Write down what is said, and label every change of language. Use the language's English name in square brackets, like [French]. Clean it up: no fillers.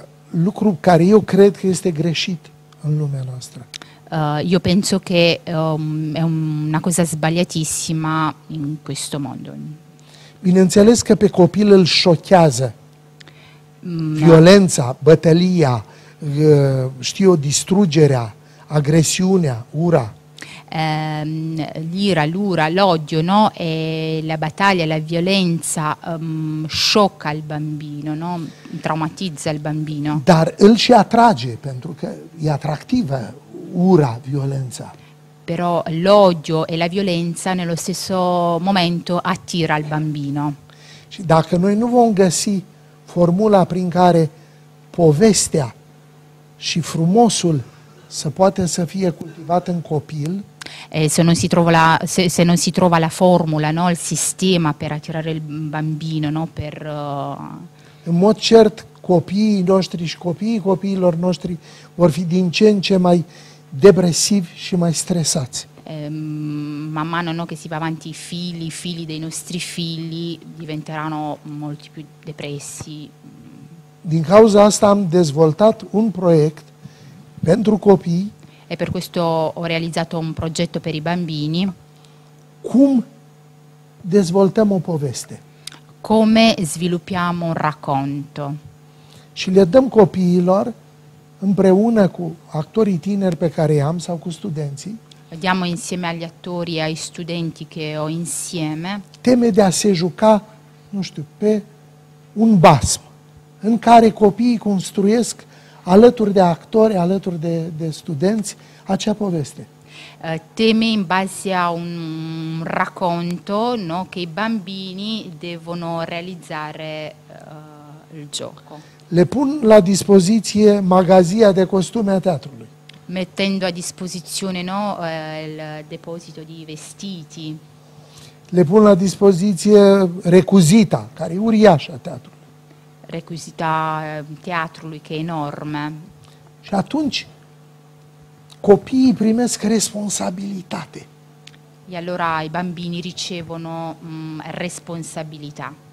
[Romanian] Lucru care eu cred că este greșit în lumea noastră. [Italian] Io penso che è una cosa sbagliatissima in questo mondo. [Romanian] Bineînțeles că pe copil îl șochează violența, bătălia, știu eu, distrugerea, agresiunea, ura. [Italian] L'ira, l'ura, l'odio, no? E la battaglia, la violenza sciocca il bambino, no? Traumatizza il bambino. [Romanian] Dar îl și atrage, pentru că e atractivă ura, violența. [Italian] Però l'odio e la violenza nello stesso momento attira il bambino. [Romanian] Și dacă noi nu vom găsi formula prin care povestea și frumosul să poată să fie cultivat în copil, [Italian] se non si trova la formula, no, il sistema per attirare il bambino, no, per [Romanian] în mod cert copiii noștri și copiii copiilor noștri vor fi din ce în ce mai depresivi și mai stresați. [Italian] Man mano, no, che si va avanti i figli dei nostri figli diventeranno molto più depressi. [Romanian] Din cauza asta am dezvoltat un proiect pentru copii. [Italian] E per questo ho realizzato un progetto per i bambini. [Romanian] Cum dezvoltăm o poveste? [Italian] Come sviluppiamo un racconto? [Romanian] Și le dăm copiilor împreună cu actorii tineri pe care i-am sau cu studenții. [Italian] Diamo insieme agli attori e ai studenti che ho insieme. [Romanian] Teme de a se juca, nu știu, pe un basm, în care copiii construiesc alături de actori, alături de studenți, acea poveste. [Italian] Teme in base a un racconto, no, che i bambini devono realizzare il gioco. [Romanian] Le pun la dispoziție magazia de costume a teatrului. [Italian] Mettendo a disposizione, no, il deposito di vestiti. [Romanian] Le pun la dispoziție recuzita, care e uriașă a teatrului. Recuzita teatrului, [Italian] che è enorme. [Romanian] Și atunci copiii primesc responsabilitate. [Italian] E allora i bambini ricevono responsabilità.